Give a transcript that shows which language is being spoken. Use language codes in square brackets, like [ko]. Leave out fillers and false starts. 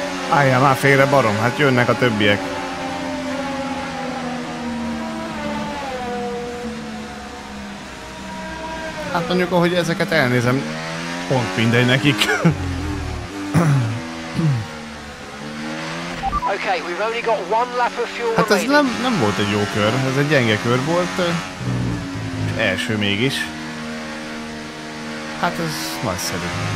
[hu] Álljál már félre, barom, hát jönnek a többiek. Hát mondjuk, ahogy ezeket elnézem, pont mindegy nekik. [en] Okay, we've only got one lap of fuel. [hu] Hát ez nem volt egy jó kör, ez egy gyenge kör volt. Első mégis. Hát ez nagyszerű.